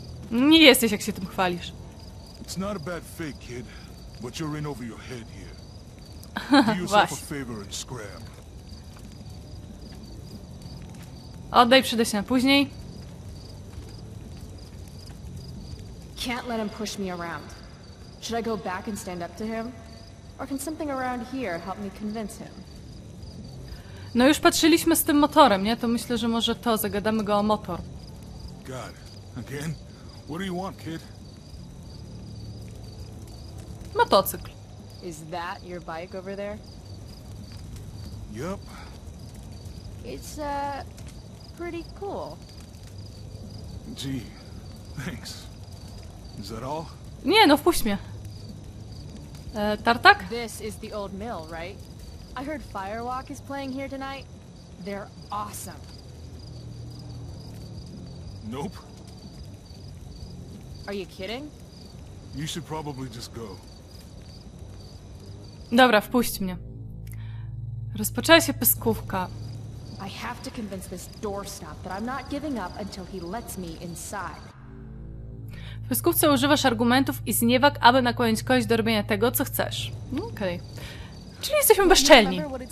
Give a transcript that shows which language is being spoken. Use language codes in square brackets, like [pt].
[pl] Nie jesteś, jak się tym chwalisz. [en] It's not a bad fake, kid, but you're in over your head here. Do yourself a favor and scram. [pl] Oddaj przydeśnie na później. [en] Can't let him push me around. Should I go back and stand up to him? Or can something around here help me convince him? [pl] No już patrzyliśmy z tym motorem, nie? To myślę, że może to, zagadamy go o motor. [en] God, again? What do you want, kid? [pl] Motocykl. [en] Is that your bike over there? Yup. It's, pretty cool. Gee, thanks. Is that all? [pl] Nie, no wpuść mnie. Tartak? [en] This is the old mill, right? I heard Firewalk is playing here tonight. They're awesome. Nope. Are you kidding? You should probably just go. [pl] Dobra, wpuść mnie. Rozpoczęła się pyskówka. [en] I have to convince this doorstop that I'm not giving up until he lets me inside. [pl] W pyskówce używasz argumentów i zniewag, aby nakłonić kogoś do robienia tego, co chcesz. Okej. Czyli jesteśmy bezczelni.